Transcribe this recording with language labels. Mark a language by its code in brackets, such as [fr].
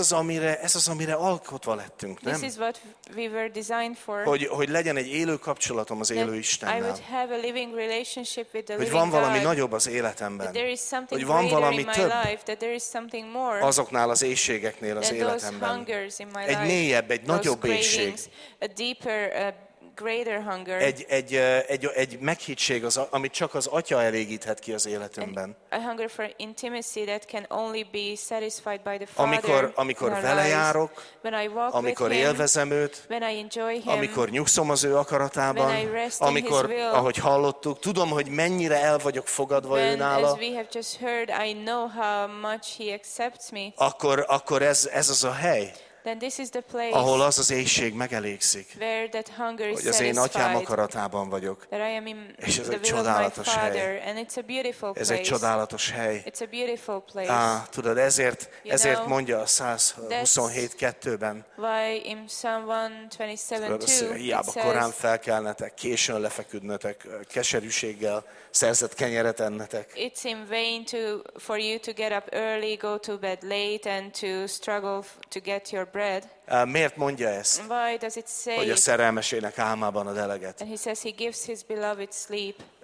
[hu] Ez az amire alkotva lettünk, nem? [en] This is what we were designed for. [hu] Hogy legyen egy élő kapcsolatom az élő Istennel. [en] I would have a living relationship with the living God. [hu] Hogy van valami nagyobb az életemben. [en] There is something [hu] hogy van valami [en] greater in my [hu] több [en] life, that there is something more. [hu] Azoknál az éhségeknél az életemben. [en] Those hungers in my life. [hu] Egy mélyebb, egy nagyobb éhség. [en] A deeper, greater hunger. [hu] Egy meghittség az, amit csak az Atya elégíthet ki az életünkben. [en] A hunger for intimacy that can only be satisfied by the Father. [hu] Amikor vele járok, [en] when I walk [hu] amikor [en] with him, [hu] élvezem őt, [en] when I enjoy him, [hu] amikor nyugszom az ő akaratában, [en] when I rest [hu] amikor, [en] in his will, [hu] ahogy hallottuk, tudom, hogy mennyire el vagyok fogadva [en] when, [hu] őnála, [en] as we have just heard, I know how much he accepts me. [hu] Akkor ez az a hely. [en] Then this is the place [hu] ahol az éhség megelégszik, [en] where that hunger is [hu] hogy az én Atyám akaratában vagyok, [en] that I am in [hu] és ez [en] the [hu] egy csodálatos [en] father, [hu] hely. [en] And it's a beautiful place. [hu] Ez egy csodálatos hely. [en] It's a beautiful place. [hu] Tudod, ezért know, mondja a 127.2-ben, [en] why in Psalm 127.2, [hu] hiába korán felkelnetek, későn lefeküdnetek, keserűséggel szerzett kenyeret ennetek. [en] It's in vain for you to get up early, go to bed late, and to struggle to get your bread. [hu] Miért mondja ezt? [en] Why does it say [hu] hogy a szerelmesének álmában ad eleget? [en] And he says he gives his beloved sleep.